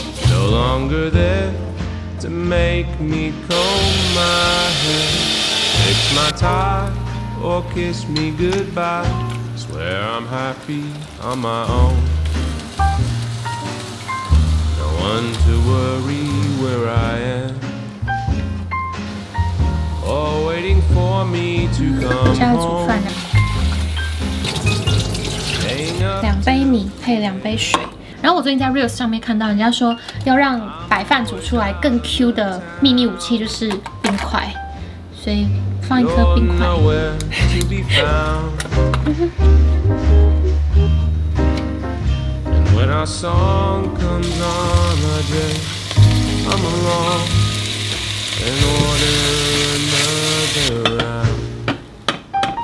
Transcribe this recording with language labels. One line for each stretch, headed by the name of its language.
English: No longer thereTo make me comb my hair Fix my tie or kiss me goodbye Swear I'm happy on my own No one to worry where I am Or waiting for me to come home
Chinese: 两杯米配两杯水。然后我最近在 Reels 上面看到人家说要让白饭煮出来更 Q 的秘密武器就是冰块，所以放一颗冰块。
English: And when our song comes on a day I'm alone and order another round